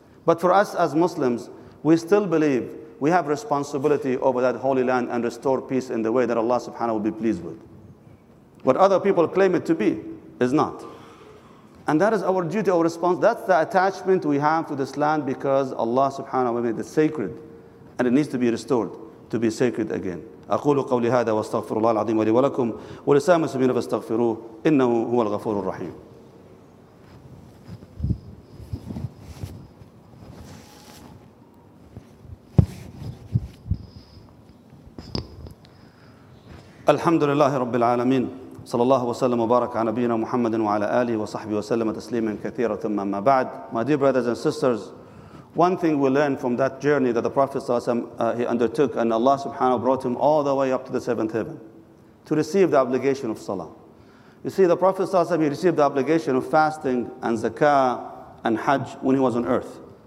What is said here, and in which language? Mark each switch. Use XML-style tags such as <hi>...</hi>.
<en>But for us as Muslims, we still believe we have responsibility over that holy land and restore peace in the way that Allah subhanahu will be pleased with. What other people claim it to be is not. And that is our duty, our response. That's the attachment we have to this land because Allah subhanahu wa ta'ala made it sacred and it needs to be restored to be sacred again.</en> <ar>أقول قولي هذا واستغفر الله العظيم لي ولكم ولسائر المسلمين فاستغفروه إنه هو الغفور الرحيم. الحمد لله رب العالمين صلى الله وسلم وبارك على نبينا محمد وعلى آله وصحبه وسلم تسليما كثيرا ثم ما بعد.</ar> <en>My dear brothers and sisters, one thing we learned from that journey that the Prophet he undertook, and Allah subhanahu brought him all the way up to the seventh heaven to receive the obligation of salah. You see, the Prophet he received the obligation of fasting and zakah and hajj when he was on earth.</en>